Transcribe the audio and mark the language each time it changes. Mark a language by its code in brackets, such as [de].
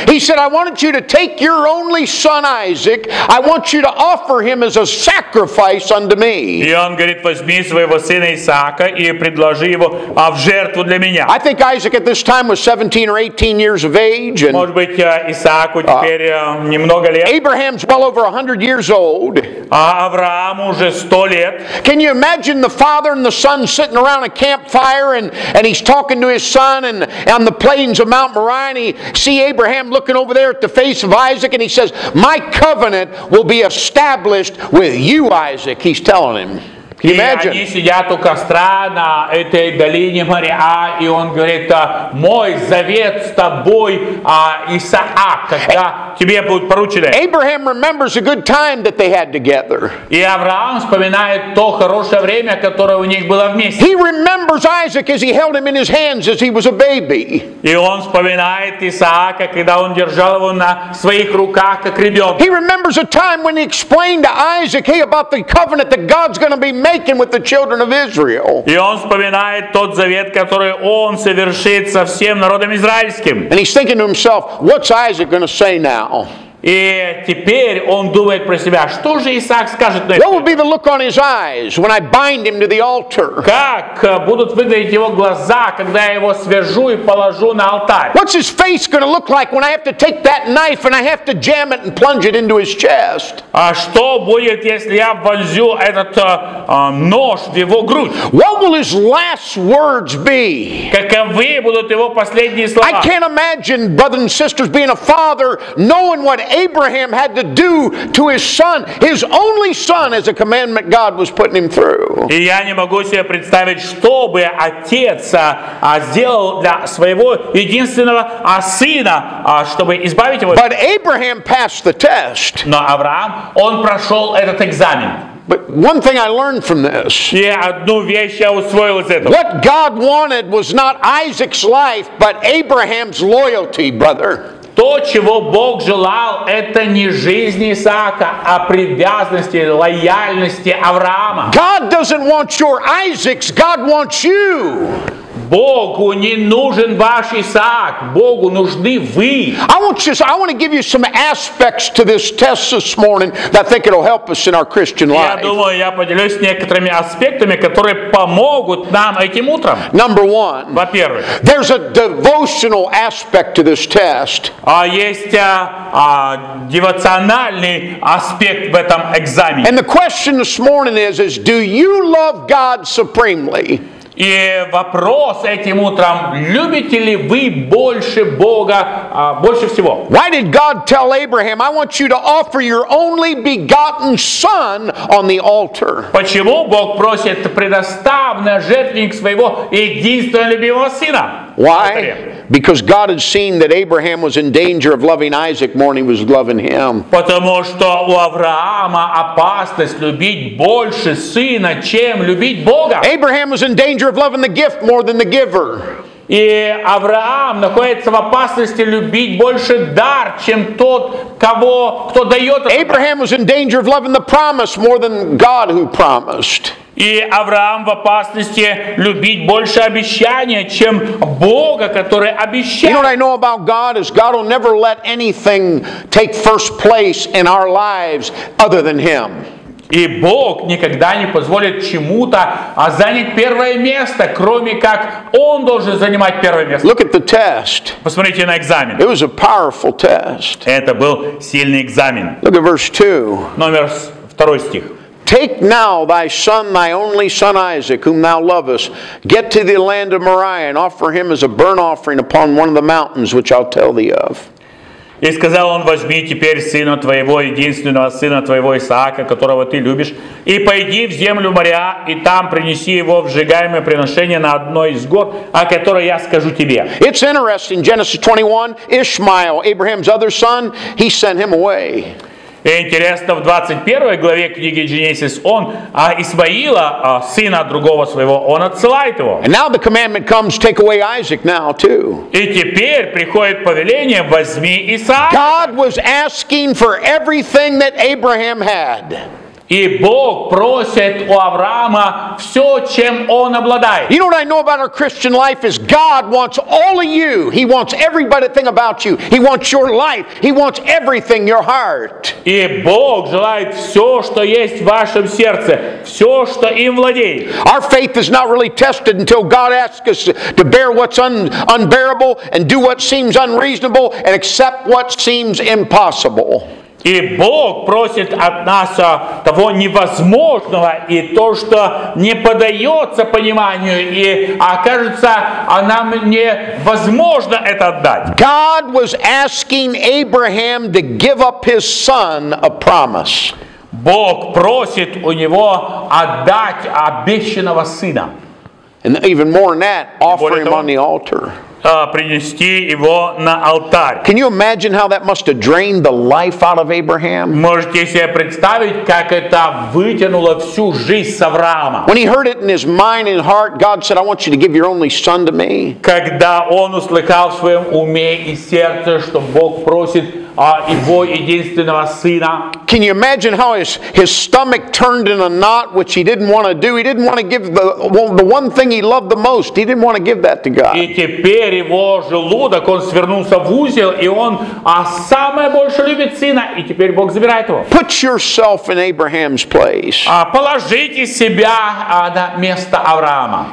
[en] He said, I wanted you to take your only son Isaac. I want you to offer him as a sacrifice unto me. [ru] И он говорит, возьми своего сына Исаака и предложи его в жертву для меня. [en] I think Isaac at this time was 17 or 18 years of age. [ru] Может быть, Исааку теперь немного лет. [en] Abraham's well over 100 years old. [ru] А Авраам уже 100 лет. [en] Can you imagine the father and the son sitting around a campfire and he's talking to his son and on the plains of Mount Moriah and he see Abraham looking over there at the face of Isaac and he says, my covenant will be established with you, Isaac. He's telling him. Can you imagine? [ru] И они сидят у костра на этой долине Мориа, и он говорит, мой завет с тобой, Исаак, когда тебе будет поручено. [en] Abraham remembers a good time that they had together. [ru] И Авраам вспоминает то хорошее время, которое у них было вместе. [en] He remembers Isaac as he held him in his hands as he was a baby. [ru] И он вспоминает Исаака, когда он держал его на своих руках как ребенка. [en] He remembers a time when he explained to Isaac, hey, about the covenant that God's going to be making with the children of Israel. [ru] И он вспоминает тот завет, который он совершит со всем народом израильским. [en] And he's thinking to himself, what's Isaac going to say now? [ru] И теперь он думает про себя, что же Исаак скажет на это? [en] What will be the look on his eyes when I bind him to the altar? [ru] Как будут выглядеть его глаза, когда я его свяжу и положу на алтарь? [en] What's his face going to look like when I have to take that knife and I have to jam it and plunge it into his chest? [ru] А что будет, если я вонзю этот нож в его грудь? [en] What will his last words be? [ru] Каковы будут его последние слова? [en] I can't imagine, brothers and sisters, being a father, knowing what Abraham had to do to his son, his only son, as a commandment God was putting him through. [ru] И я не могу себе представить, что бы отец сделал для своего единственного сына, чтобы избавить его. [en] But Abraham passed the test. [ru] Но Авраам, он прошел этот экзамен. [en] But one thing I learned from this. [ru] Yeah, одну вещь я усвоил из этого. [en] What God wanted was not Isaac's life, but Abraham's loyalty, brother. [ru] То, чего Бог желал, это не жизнь Исаака, а привязанности, лояльности Авраама. [en] God doesn't want your Isaacs, God wants you. [ru] Богу не нужен ваш Исаак, Богу нужны вы. [en] I want to give you some aspects to this test this morning that I think it'll help us in our Christian life. [ru] Я думаю, я поделюсь некоторыми аспектами, которые помогут нам этим утром. [en] Number one. [ru] Во-первых, [en] there's a devotional aspect to this test. [ru] А есть девоциональный аспект в этом экзамене. [en] And the question this morning is do you love God supremely? [ru] И вопрос этим утром: любите ли вы больше Бога, больше всего? [en] Why did God tell Abraham, "I want you to offer your only begotten son on the altar"? [ru] Почему Бог просит предоставить на жертвенник своего единственного любимого сына? [en] Why? Because God had seen that Abraham was in danger of loving Isaac more than he was loving him. [ru] Потому что у Авраама опасность любить больше сына, чем любить Бога. [en] Abraham was in danger of loving the gift more than the giver. [ru] И Авраам находится в опасности любить больше дар, чем тот, кого, кто дает. [en] Abraham was in danger of loving the promise more than God who promised. [ru] И Авраам в опасности любить больше обещания, чем Бога, который обещал. [en] You know what I know about God is God will never let anything take first place in our lives other than Him. [ru] И Бог никогда не позволит чему-то занять первое место, кроме как Он должен занимать первое место. [en] Look at the test. [ru] Посмотрите на экзамен. [en] It was a powerful test. [ru] Это был сильный экзамен. [en] Look at verse 2. [ru] Номер второй стих. [en] Take now thy son, thy only son Isaac, whom thou lovest. Get to the land of Moriah and offer him as a burnt offering upon one of the mountains which I'll tell thee of. [ru] И сказал он: возьми теперь сына твоего, единственного сына твоего Исаака, которого ты любишь, и пойди в землю Мориа, и там принеси его в сжигаемое приношение на одной из гор, о которой я скажу тебе. [en] It's interesting, Genesis 21, Ishmael, Abraham's other son, he sent him away. [ru] И интересно, в 21 главе книги Genesis, он Исмаила, сына другого своего, он отсылает его. [en] And now the commandment comes, take away Isaac now too. [ru] И теперь приходит повеление, возьми Исаака. [en] God was asking for everything that Abraham had. [ru] И Бог просит у Авраама все, чем он обладает. [en] You know what I know about our Christian life is God wants all of you. He wants everybody thing about you. He wants your life. He wants everything, your heart. [ru] И Бог желает все, что есть в вашем сердце, все, что им владеет. [en] Our faith is not really tested until God asks us to bear what's unbearable and do what seems unreasonable and accept what seems impossible. [ru] И Бог просит от нас того невозможного и то, что не поддается пониманию, и окажется, нам невозможно это отдать. [en] God was asking Abraham to give up his son a promise. [ru] Бог просит у него отдать обещанного сына. [en] And even more than that, offer him on the altar. [ru] Принести его на алтарь. [en] Can you imagine how that must have drained the life out of Abraham? [ru] Можете себе представить, как это вытянуло всю жизнь с Авраама? [en] When he heard it in his mind and heart, God said, "I want you to give your only son to me." [ru] Когда он услыхал в своем уме и сердце, что Бог просит его единственного сына. [en] Can you imagine how his stomach turned in a knot, which he didn't want to do? He didn't want to give the one thing he loved the most. He didn't want to give that to God. [ru] И теперь его желудок, он свернулся в узел, и он самое больше любит сына, и теперь Бог забирает его. [en] Put yourself in Abraham's place. [ru] Положите себя на место Авраама.